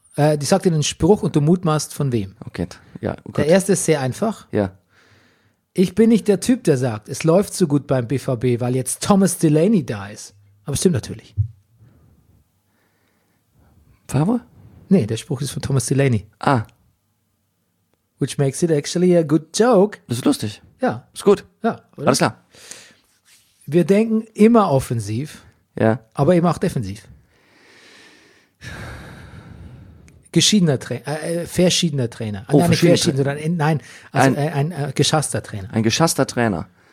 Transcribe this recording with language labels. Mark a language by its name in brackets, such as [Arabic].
[German] Die sagt dir einen Spruch und du mutmaßt von wem. Okay, ja. Oh, der erste ist sehr einfach. Ja. Ich bin nicht der Typ, der sagt, es läuft so gut beim BVB, weil jetzt Thomas Delaney da ist. Aber stimmt natürlich. Favre? Nee, der Spruch ist von Thomas Delaney. Ah. [English] Which makes it actually a good joke. [German] Das ist lustig. Ja. Ist gut. Ja, oder? Alles klar. Wir denken immer offensiv. Ja. Aber eben auch defensiv. Verschiedener Trainer. Oh, nicht verschiedene. Sondern nein, also ein geschasster Trainer. Ein geschasster Trainer.